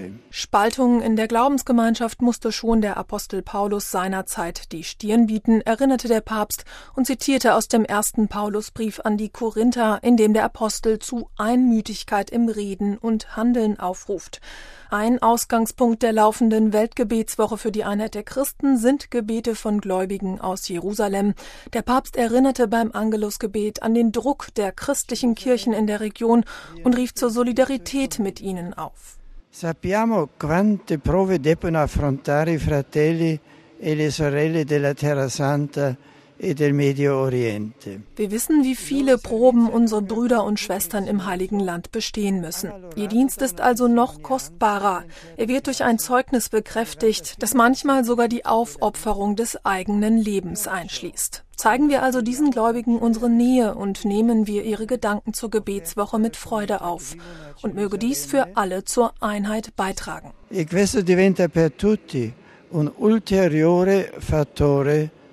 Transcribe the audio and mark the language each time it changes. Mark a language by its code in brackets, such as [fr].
[de] Spaltungen in der Glaubensgemeinschaft musste schon der Apostel Paulus seinerzeit die Stirn bieten, erinnerte der Papst und zitierte aus dem ersten Paulusbrief an die Korinther, in dem der Apostel zu Einmütigkeit im Reden und Handeln aufruft. Ein Ausgangspunkt der laufenden Weltgebetswoche für die Einheit der Christen sind Gebete von Gläubigen aus Jerusalem. Der Papst erinnerte beim Angelusgebet an den Druck der christlichen Kirchen in der Region und rief zur Solidarität mit ihnen auf. [it] Sappiamo quante prove debbono affrontare i fratelli e le sorelle della Terra Santa. [de] Wir wissen, wie viele Proben unsere Brüder und Schwestern im Heiligen Land bestehen müssen. Ihr Dienst ist also noch kostbarer. Er wird durch ein Zeugnis bekräftigt, das manchmal sogar die Aufopferung des eigenen Lebens einschließt. Zeigen wir also diesen Gläubigen unsere Nähe und nehmen wir ihre Gedanken zur Gebetswoche mit Freude auf. Und möge dies für alle zur Einheit beitragen. [it] E questo diventa per tutti un ulteriore fattore.